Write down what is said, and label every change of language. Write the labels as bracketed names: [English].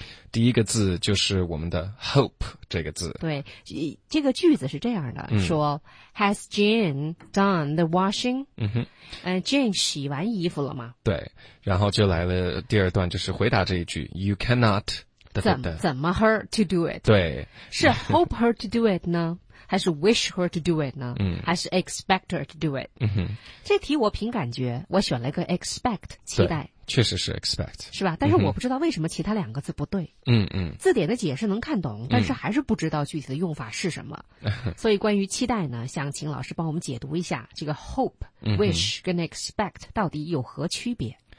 [Chinese] 第一个字就是我们的 hope 这个字。对，这个句子是这样的，说 [English] Has Jane done the washing? [Chinese] Jane 洗完衣服了吗？对，然后就来了第二段，就是回答这一句 [English] You cannot [Chinese] 怎么 [English] her to do it? [Chinese] 对， [English] 是 hope her to do it 呢？ 还是 wish her to do it 呢？ [Chinese] 还是 [English] expect her to do it？ [Chinese] 这题我凭感觉，我选了一个 expect， 期待。确实是 expect，是吧？但是我不知道为什么其他两个字不对。字典的解释能看懂，但是还是不知道具体的用法是什么。所以关于期待呢，想请老师帮我们解读一下这个 hope、wish 跟 expect 到底有何区别